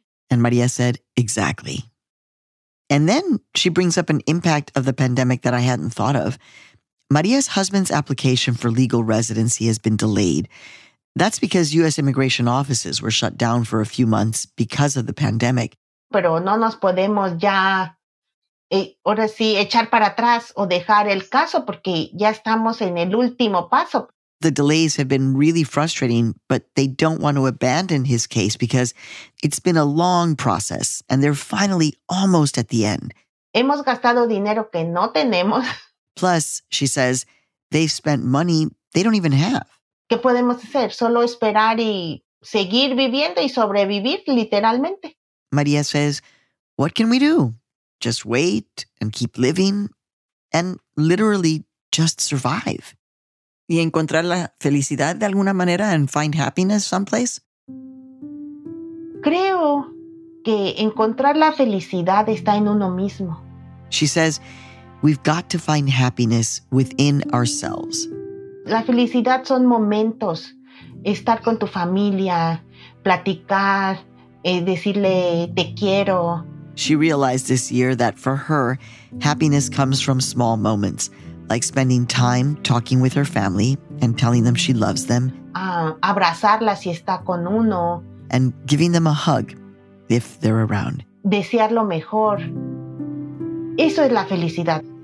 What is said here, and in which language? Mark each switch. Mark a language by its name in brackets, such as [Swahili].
[English] And Maria said, exactly. And then she brings up an impact of the pandemic that I hadn't thought of. Maria's husband's application for legal residency has been delayed. That's because U.S. immigration offices were shut down for a few months because of the pandemic. [Spanish] Pero no nos podemos ya, ahora sí, echar para atrás o dejar el caso porque ya estamos en el último paso. [English] The delays have been really frustrating, but they don't want to abandon his case because it's been a long process and they're finally almost at the end. [Spanish] Hemos gastado dinero que no tenemos. [English] Plus, she says, they've spent money they don't even have. [Spanish] ¿Qué podemos hacer? Solo esperar y seguir viviendo y sobrevivir, literalmente. [English] Maria says, what can we do? Just wait and keep living and literally just survive. [Spanish] ¿Y encontrar la felicidad de alguna manera [English] and find happiness someplace? [Spanish] Creo que encontrar la felicidad está en uno mismo. [English] She says, we've got to find happiness within ourselves. [Spanish] La felicidad son momentos, estar con tu familia, platicar, decirle te quiero. [English] She realized this year that for her, happiness comes from small moments, like spending time talking with her family and telling them she loves them. [Spanish] Abrazarla si está con uno. [English] And giving them a hug if they're around. [Spanish] Desear lo mejor. Eso es la felicidad.